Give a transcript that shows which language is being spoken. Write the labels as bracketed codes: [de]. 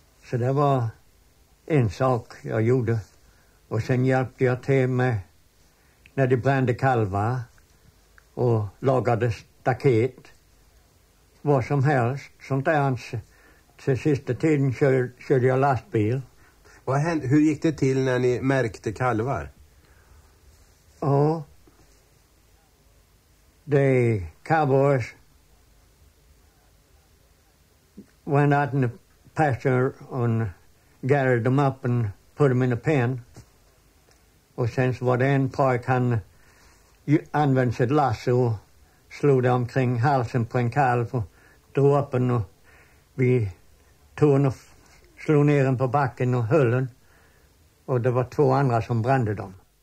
[sv] Så det var en sak jag gjorde. Och sen hjälpte jag till med när de brände kalvar och lagade staket. Vad som helst, sånt där. Till sista tiden körde jag lastbil. Vad hände? Hur gick det till när ni märkte kalvar? Ja. [en] De cowboys went out in the pasture and gathered them up and put them in a pen. [sv] Och sen så var det en pojk, han använde sitt lasso och slog det omkring halsen på en kalv och drog upp den och vi tog den och slog ner den på backen och höll den. Och det var två andra som brände dem.